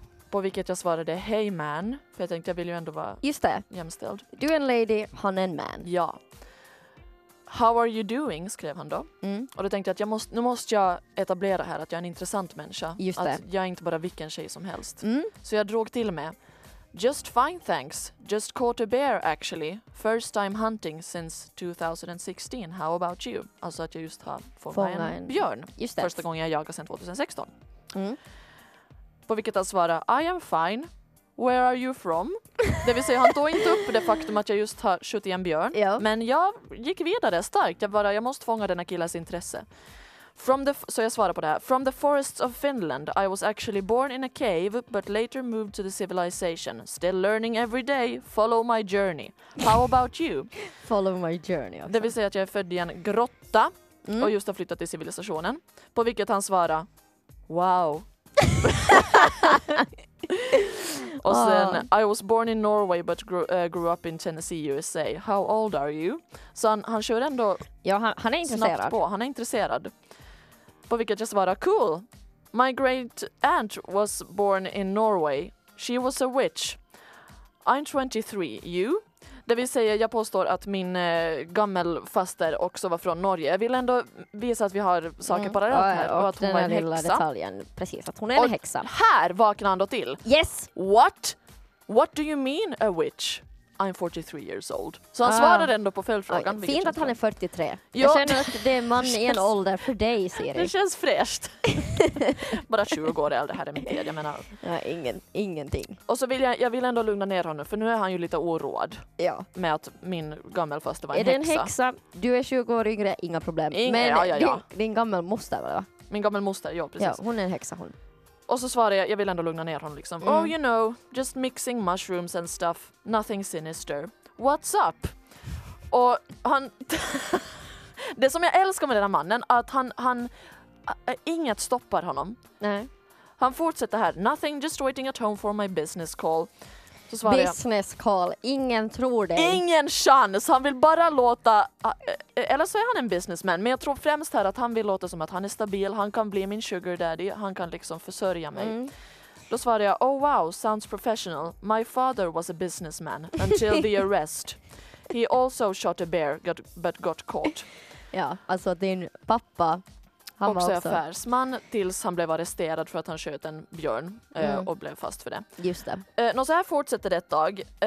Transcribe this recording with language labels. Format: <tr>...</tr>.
<sv>På vilket jag svarade,</sv> <en>hey man,</en> <sv>för jag tänkte, jag vill ju ändå vara just det. Jämställd. Du är en lady, han är en man. Ja.</sv> <en>How are you doing,</en> <sv>skrev han då. Mm. Och då tänkte jag att nu måste jag etablera här att jag är en intressant människa. Just att det. Jag är inte bara vilken tjej som helst. Mm. Så jag drog till med,</sv> <en>just fine thanks, just caught a bear actually. First time hunting since 2016, how about you?</en> <sv>Alltså att jag just har fångat en björn. Just det. Första gången jag jagar sedan 2016. Mm. På vilket han svarar,</sv> <en>I am fine. Where are you from?</en> <sv>Det vill säga han tog inte upp det faktum att jag just har skjutit en björn. Ja. Men jag gick vidare starkt. Jag måste fånga denna killas intresse. Så jag svarar på det här.</sv> <en>From the forests of Finland, I was actually born in a cave but later moved to the civilization. Still learning every day, follow my journey. How about you? Follow my journey. Okay.</en> <sv>Det vill säga att jag är född i en grotta och just har flyttat till civilisationen. På vilket han svarar, wow. Och sen,</sv> <en>I was born in Norway but grew up in Tennessee, USA. How old are you?</en> <sv>Så han kör ändå ja, han är intresserad. Snabbt på. Han är intresserad. På vilket jag svarar, cool.</sv> <en>My great aunt was born in Norway. She was a witch. I'm 23. You?</en> <sv>Det vill säga, jag påstår att min gammel faster också var från Norge. Jag vill ändå visa att vi har saker parallellt här. Och att hon är en lilla häxa. Detaljen. Precis, att hon är en häxa. Här vaknar han då till.</sv> <en>Yes! What do you mean a witch? I'm 43 years old.</en> <sv>Så han svarade ändå på följdfrågan. Fint att han är 43. Ja. Jag känner att det är man i en ålder för dig, Siri. Det känns fräscht. Bara 20 år äldre, här är min tid. Jag menar. Ja, ingenting. Och så vill jag ändå lugna ner honom, för nu är han ju lite oroad. Ja. Med att min gammel faste var en häxa. Är det en häxa? Du är 20 år yngre, inga problem. Men din gammel moster, va? Min gammel moster, ja, precis. Ja, hon är en häxa, hon. Och så svarar jag vill ändå lugna ner honom liksom. Mm.</sv> <en>Oh, you know, just mixing mushrooms and stuff. Nothing sinister. What's up?</en> <sv>Och han det som jag älskar med den här mannen att han inget stoppar honom. Nej. Han fortsätter här.</sv> <en>Nothing, just waiting at home for my business call.</en> <sv>Så svarar business jag, call. Ingen tror dig. Ingen chans. Han vill bara låta eller så är han en businessman, men jag tror främst här att han vill låta som att han är stabil. Han kan bli min sugar daddy. Han kan liksom försörja mig. Mm. Då svarar jag,</sv> <en>oh wow, sounds professional. My father was a businessman until the arrest. He also shot a bear but got caught.</en> <sv>Ja, alltså din pappa han också var affärsman tills han blev arresterad för att han sköt en björn och blev fast för det. Just det. Och så här fortsätter det ett tag.</sv>